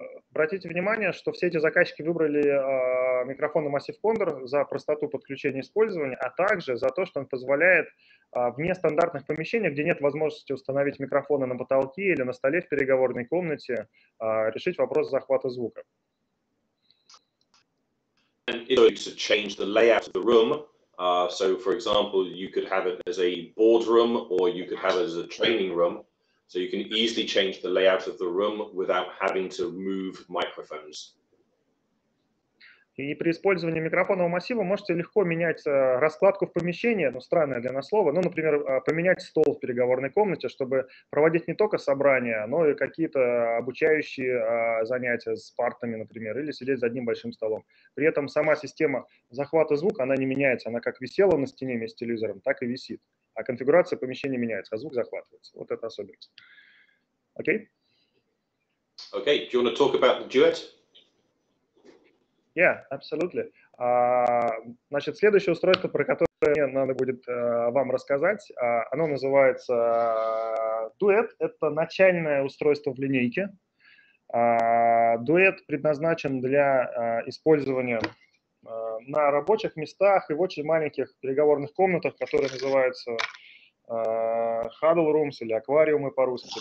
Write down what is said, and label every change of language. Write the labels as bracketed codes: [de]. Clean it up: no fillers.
[ru] Обратите внимание, что все эти заказчики выбрали микрофон и массив Condor за простоту подключения и использования, а также за то, что он позволяет в нестандартных помещениях, где нет возможности установить микрофоны на потолке или на столе в переговорной комнате, решить вопрос захвата звука. [en] And it's going to change the layout of the room. So, for example, you could have it as a boardroom or you could have it as a training room. So you can easily change the layout of the room without having to move microphones. [ru] И при использовании микрофонного массива можете легко менять раскладку в помещении, ну, странное для нас слово, ну, например, поменять стол в переговорной комнате, чтобы проводить не только собрания, но и какие-то обучающие занятия с партами, например, или сидеть за одним большим столом. При этом сама система захвата звука, она не меняется, она как висела на стене вместе с телевизором, так и висит. А конфигурация помещения меняется, а звук захватывается. Вот это особенность. Окей? [en] Окей, do you want to talk about the Duet? Yeah, absolutely. [ru] Значит, следующее устройство, про которое мне надо будет вам рассказать, оно называется Duet. Это начальное устройство в линейке. Duet предназначен для использования на рабочих местах и в очень маленьких переговорных комнатах, которые называются huddle rooms или аквариумы по-русски.